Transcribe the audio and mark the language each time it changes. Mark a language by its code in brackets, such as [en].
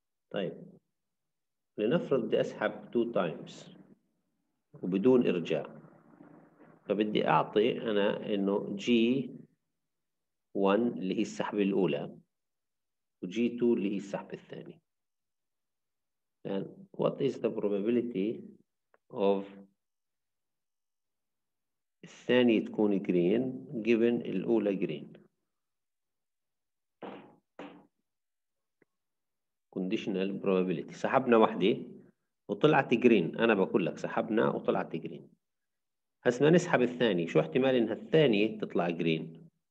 [ar] طيب لنفرض بدي أسحب [en] 2 times [ar] وبدون إرجاع، فبدي أعطي أنا إنه G1 اللي هي السحبة الأولى وG2 اللي هي السحبة الثانية. [en] Then what is the probability of [ar] الثانية تكون [en] green given [ar] الأولى [en] green؟ conditional probability. [ar] سحبنا واحدة وطلعت جرين، أنا بقول لك سحبنا وطلعت جرين، هسه بدنا نسحب الثاني، شو احتمال إنها الثانية تطلع جرين؟